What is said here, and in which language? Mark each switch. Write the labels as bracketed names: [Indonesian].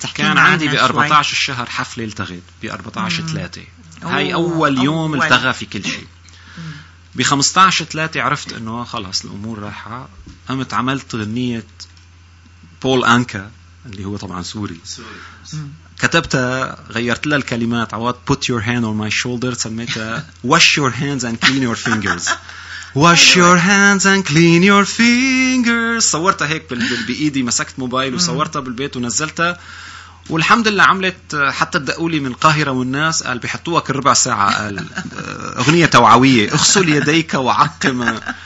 [Arabic] كان عندي ب14 الشهر حفلة التغيت ب14/3 هاي أول يوم التغى في كل شيء. ب15/3 عرفت أنه خلاص الأمور راحة. قمت عملت غنية بول أنكا اللي هو طبعا سوري. كتبتها غيرت لها الكلمات عوض [English] put your hand on my shoulder [Arabic] سميتها [English] wash your hands and clean your fingers. wash your hands and clean your fingers. [Arabic] صورتها هيك بإيدي مسكت موبايل وصورتها بالبيت ونزلتها والحمد لله عملت. حتى دقولي من القاهرة والناس قال بيحطوها كل ربع ساعة قال أغنية توعوية اغسل يديك وعقم.